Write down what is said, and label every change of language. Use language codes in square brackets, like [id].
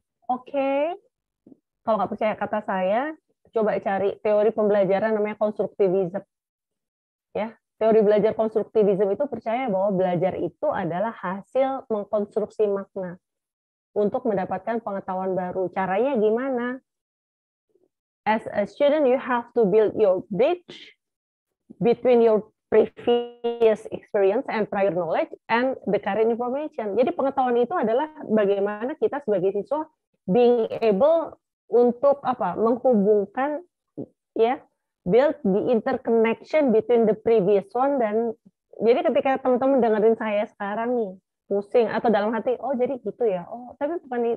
[id] Oke. Kalau nggak percaya kata saya, coba cari teori pembelajaran namanya konstruktivisme. Ya. Teori belajar konstruktivisme itu percaya bahwa belajar itu adalah hasil mengkonstruksi makna untuk mendapatkan pengetahuan baru. Caranya gimana? [en] As a student, you have to build your bridge between your previous experience and prior knowledge and the current information. [id] Jadi pengetahuan itu adalah bagaimana kita sebagai siswa [en] being able [id] untuk apa? Menghubungkan, ya. [en] Build the interconnection between the previous one [id] dan jadi ketika teman-teman dengerin saya sekarang nih pusing atau dalam hati oh jadi gitu ya oh tapi bukan ini.